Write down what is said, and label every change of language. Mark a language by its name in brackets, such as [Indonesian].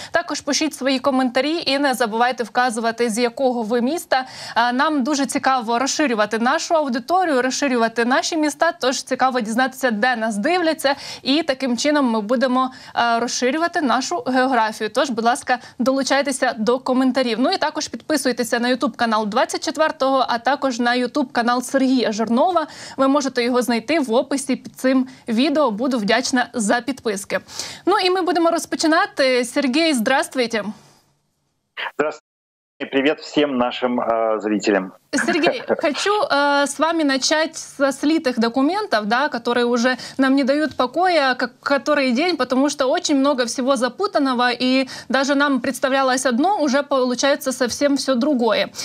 [Ukrainian] Також пишіть свої коментарі і не забувайте вказувати, з якого ви міста. Нам дуже цікаво розширювати нашу аудиторію, розширювати наші міста, тож цікаво дізнатися, де нас дивляться, і таким чином ми будемо розширювати нашу географію. Тож, будь ласка, долучайтеся до коментарів. Ну і також підписуйтеся на YouTube-канал 24-го, а також на YouTube-канал Сергія Жернова. Ви можете його знайти в описі під цим відео. Буду вдячна за підписки. Ну і ми будемо розпочинати. [Russian] Сергій, здравствуйте. Здравствуйте. И привет всем нашим зрителям. Сергей, хочу с вами начать со слитых документов, да, которые уже нам не дают покоя, как, который день, потому что очень много всего запутанного, и даже нам представлялось одно, уже получается совсем все другое.